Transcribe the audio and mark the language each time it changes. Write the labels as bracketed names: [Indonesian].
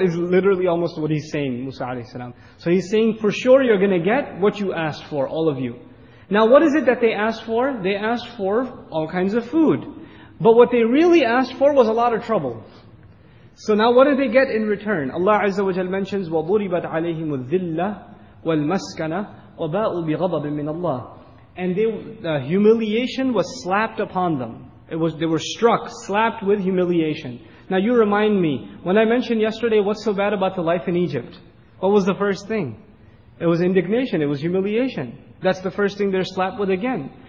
[English] Is literally almost what he's saying, Musa alayhi salam. So he's saying for sure you're gonna get what you asked for, all of you. Now, what is it that they asked for? They asked for all kinds of food. But what they really asked for was a lot of trouble. So now what did they get in return? [Arabic] Allah Azza wa Jal mentions, وَضُرِبَتْ عَلَيْهِمُ الذِّلَّةِ وَالْمَسْكَنَةِ وَبَاءُوا بِغَضَبٍ مِّنَ اللَّهِ. [English] And the humiliation was slapped upon them. They were struck, slapped with humiliation. Now you remind me, when I mentioned yesterday what's so bad about the life in Egypt, what was the first thing? It was indignation, it was humiliation. That's the first thing they're slapped with again.